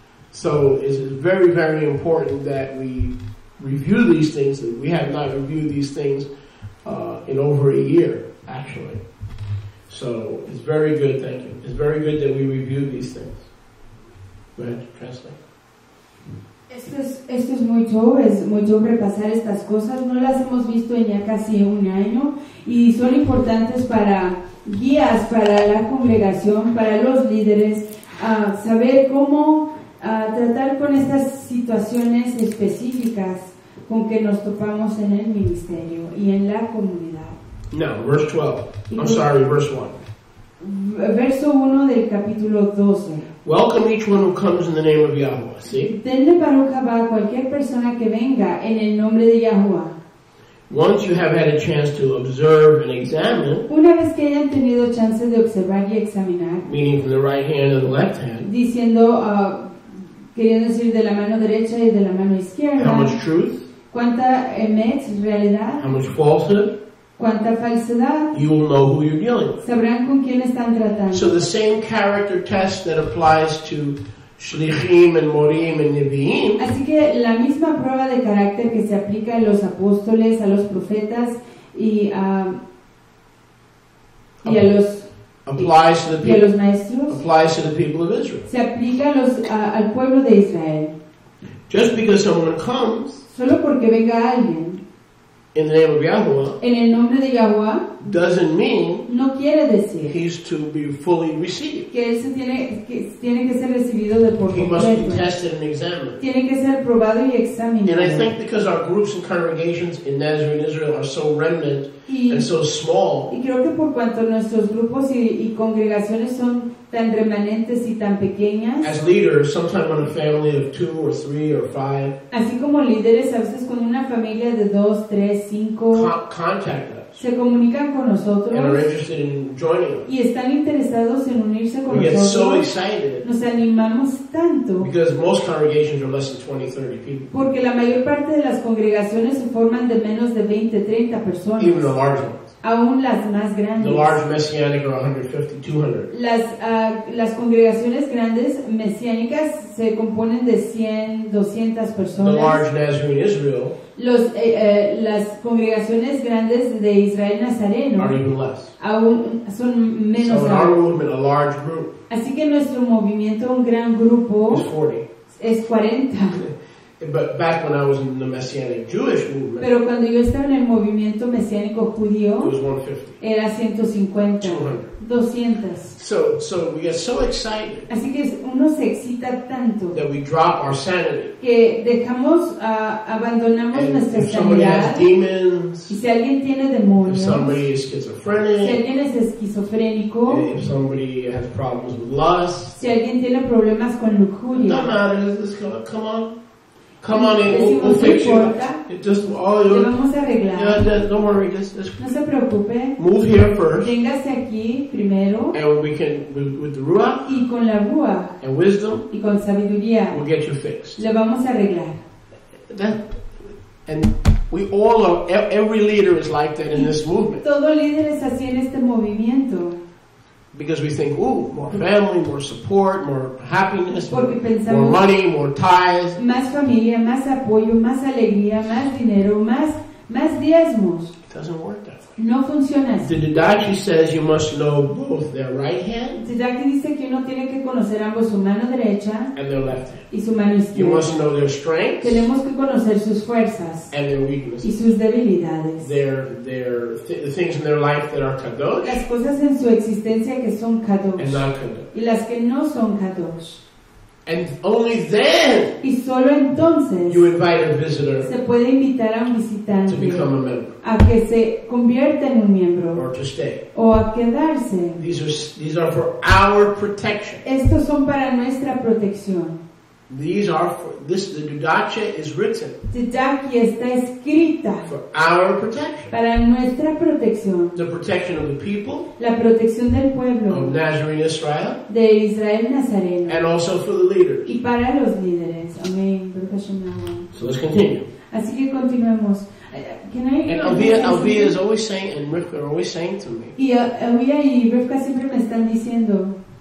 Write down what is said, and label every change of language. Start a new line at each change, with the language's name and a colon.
English: So it's very, very important that we review these things. We have not reviewed these things in over a year, actually. So it's very good, thank you. It's very good that we review these things. Go ahead, translate.
Spanish: Esto es mucho, es mucho repasar estas cosas. No las hemos visto en ya casi un año y son importantes para guías, para la congregación, para los líderes, saber cómo tratar con estas situaciones específicas con que nos topamos en el ministerio y en la comunidad.
English: No, verse 12. I'm sorry, verse 1.
Spanish: Verso 1 del capítulo 12.
English: Welcome each one who comes in the name of Yahuwah. See?
Spanish: Denle baruja a cualquier persona que venga en el nombre de Yahuwah.
English: Once you have had a chance to observe and examine,
Spanish: una vez que hayan tenido chance de observar y examinar,
English: meaning from the right hand and the left hand,
Spanish: diciendo, queriendo decir de la mano derecha y de la mano izquierda,
English: how much truth,
Spanish: cuánta emet, realidad,
English: how much falsehood,
Spanish: cuánta falsedad,
English: you will know who you're dealing with.
Spanish: Sabrán con quién están tratando.
English: So the same character test that applies to Shlichim and Morim and Nevi'im,
Spanish: así que la misma prueba de carácter que se aplica a los apóstoles, a los profetas
English: applies to the people of Israel.
Spanish: Se aplica al pueblo de Israel.
English: Just because someone comes,
Spanish: solo porque venga alguien,
English: in the name of Yahuwah,
Spanish: en el nombre de Yahuwah,
English: doesn't mean,
Spanish: no quiere decir,
English: he's to be fully received.
Spanish: Que él tiene que ser recibido de por completo.
English: He must be tested and examined.
Spanish: Tiene que ser probado y examinado.
English: And I think because our groups and congregations in Nazarene Israel are so remnant and so small,
Spanish: y creo que por cuanto nuestros grupos y congregaciones son tan remanentes y tan pequeñas,
English: as leaders, sometimes on a family of two or three or five,
Spanish: así como líderes, a veces con una familia de dos, tres, cinco,
English: contact us,
Spanish: se comunican con nosotros,
English: and are interested in joining us,
Spanish: y están interesados en unirse con nosotros.
English: We get so excited,
Spanish: nos animamos tanto,
English: because most congregations are less than 20-30 people,
Spanish: porque la mayor parte de las congregaciones se forman de menos de 20-30 personas,
English: even the large ones.
Spanish: Aún las más grandes.
English: The large messianic are 150, 200.
Spanish: Las congregaciones grandes mesiánicas se componen de 100, 200 personas.
English: The large Nazarene Israel.
Spanish: Las congregaciones grandes de Israel Nazareno.
English: Are even less.
Spanish: Aún son menos.
English: So in our movement, a large group.
Spanish: Así que nuestro movimiento, un gran grupo,
English: is 40.
Spanish: Es 40.
English: But back when I was in the Messianic Jewish movement,
Spanish: pero cuando yo estaba en el movimiento mesiánico judío,
English: it was 150.
Spanish: Era 150.
English: 200.
Spanish: 200.
English: So we get so excited.
Spanish: Así que uno se excita tanto.
English: That we drop our sanity.
Spanish: Que dejamos, abandonamos
English: and
Spanish: nuestra sanidad.
English: If somebody has demons.
Spanish: Y si alguien tiene demonios.
English: If somebody is schizophrenic.
Spanish: Si alguien es esquizofrénico.
English: If somebody has problems with lust.
Spanish: Si alguien tiene problemas con lujuria.
English: No matter, come on. Come on in, we'll fix you. It just, all your,
Spanish: vamos a arreglar.
English: Yeah, don't worry, just
Spanish: no se preocupe.
English: Move here first.
Spanish: Véngase aquí primero.
English: And we can, with the Ruach.
Spanish: Y con la Ruach.
English: And wisdom.
Spanish: Y con sabiduría.
English: We'll get you fixed.
Spanish: Le vamos a arreglar.
English: And we all are, every leader is like that in this movement.
Spanish: Todo líder es así en este movimiento.
English: Because we think, ooh, more family, more support, more happiness, more money, more ties.
Spanish: Más familia, más apoyo, más alegría, más dinero, más diezmos.
English: It doesn't work that way.
Spanish: No funciona así.
English: The Didache says you must know both their right hand.
Spanish: Didache dice que uno tiene que conocer ambos, su mano derecha
English: and their left hand.
Spanish: Y su mano izquierda.
English: You must know their strengths.
Spanish: Tenemos que conocer sus fuerzas
English: and their weaknesses.
Spanish: Y sus debilidades.
English: The things in their life that are kadosh.
Spanish: Las cosas en su existencia que son kadosh.
English: And not kadosh.
Spanish: Y las que no son kadosh.
English: And only then.
Spanish: Y solo entonces.
English: You invite a visitor.
Spanish: Se puede invitar a un visitante.
English: To become a member.
Spanish: A que se convierta en un miembro.
English: Or to stay.
Spanish: O a quedarse.
English: These are for our protection.
Spanish: Estos son para nuestra protección.
English: These are for this. The Didache is written.
Spanish: Didache está escrita.
English: For our protection.
Spanish: Para nuestra protección.
English: The protection of the people.
Spanish: La protección del pueblo.
English: Of Nazarene Israel.
Spanish: De Israel Nazareno.
English: And also for the leaders.
Spanish: Y para los líderes.
English: Amen. Professional. So let's continue.
Spanish: Así que continuemos.
English: Can I? And Alvia is always saying, and Rivka are always saying to me.
Spanish: Y Alvia y Rivka siempre me están diciendo.